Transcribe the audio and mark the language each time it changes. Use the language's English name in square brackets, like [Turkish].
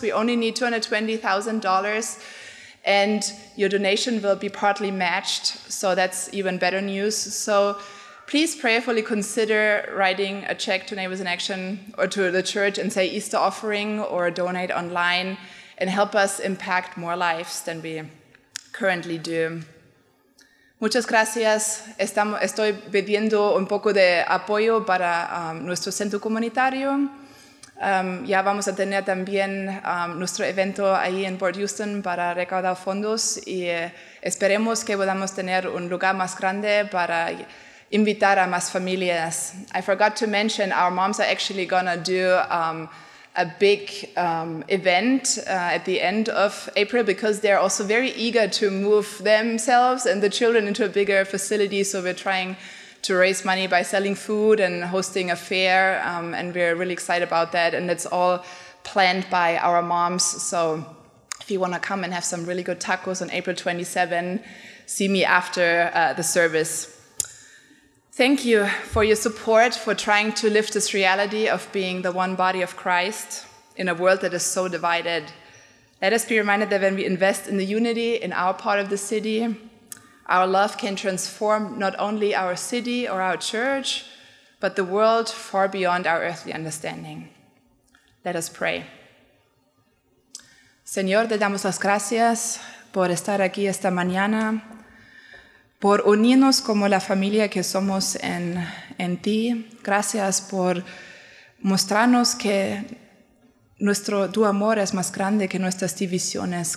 [English] We only need $220,000. And your donation will be partly matched, so that's even better news. So please prayerfully consider writing a check to Neighbors in Action or to the church and say Easter offering or donate online and help us impact more lives than we currently do. [Spanish] Muchas gracias. Estoy pidiendo un poco de apoyo para nuestro centro comunitario. Ya vamos a tener también nuestro evento ahí en Port Houston para recaudar fondos y esperemos que podamos tener un lugar más grande para invitar a más familias. [English] I forgot to mention our moms are actually going to do a big event at the end of April because they're also very eager to move themselves and the children into a bigger facility. So we're trying to raise money by selling food and hosting a fair, and we're really excited about that, and it's all planned by our moms. So if you want to come and have some really good tacos on April 27, see me after the service. Thank you for your support, for trying to lift this reality of being the one body of Christ in a world that is so divided. Let us be reminded that when we invest in the unity in our part of the city, our love can transform not only our city or our church, but the world far beyond our earthly understanding. Let us pray. [Spanish] Señor, te damos las gracias por estar aquí esta mañana, por unirnos como la familia que somos en ti. Gracias por mostrarnos que tu amor es más grande que nuestras divisiones.